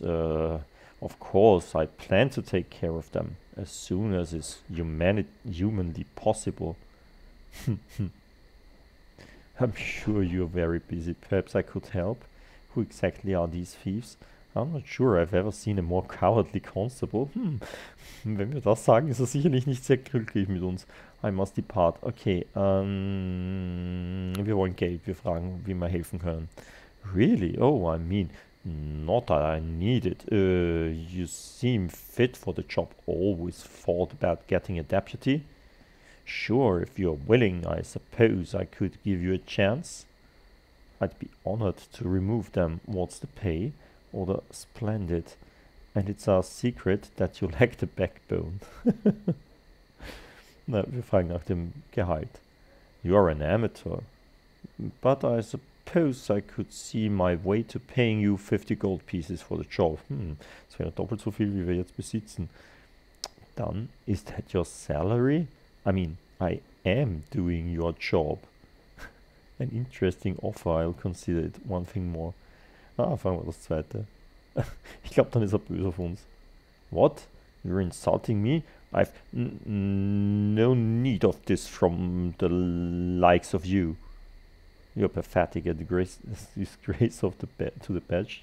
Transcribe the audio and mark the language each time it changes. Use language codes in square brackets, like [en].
[en] Of course, I plan to take care of them as soon as is humanly possible. I'm sure you're very busy. Perhaps I could help. Who exactly are these thieves? I'm not sure I've ever seen a more cowardly constable. [de] Wenn wir das sagen, ist er sicherlich nicht sehr glücklich mit uns. [en] I must depart. Okay, [de] wir wollen Geld. Wir fragen, wie wir helfen können. [en] Really? Oh, I mean, not that I need it. You seem fit for the job. Always thought about getting a deputy. Sure, if you're willing, I suppose I could give you a chance. I'd be honored to remove them. What's the pay? Oder splendid. And it's our secret that you lack the backbone. [de] Na, wir fragen nach dem Gehalt. [en] You are an amateur. But I suppose I could see my way to paying you 50 gold pieces for the job. [de] Das wäre doppelt so viel, wie wir jetzt besitzen. [en] Dann, is that your salary? I mean, I am doing your job. An interesting offer, I'll consider it. One thing more. Ah, [de] fangen wir das zweite. Ich glaube, dann ist er böse auf uns. [en] What? You're insulting me? I've no need of this from the likes of you. You're pathetic at the disgrace of the to the badge.